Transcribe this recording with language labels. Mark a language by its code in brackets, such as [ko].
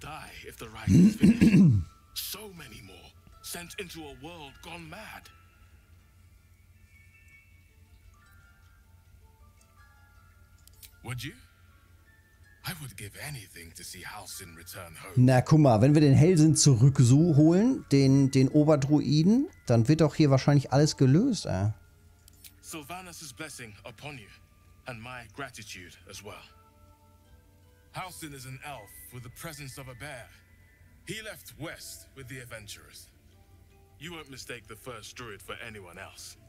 [en] die if the rite is finished. So many more sent into a world gone mad. Would you? I would give anything to see Halsin return home. [de] Na, guck mal, wenn wir den Halsin zurückholen, den Oberdruiden, dann wird doch hier wahrscheinlich alles gelöst, [en] Sylvanus' blessing upon you and my gratitude as well. Halsin is an elf with the presence of a bear. He left west with the adventurers. You won't mistake the first druid for anyone else.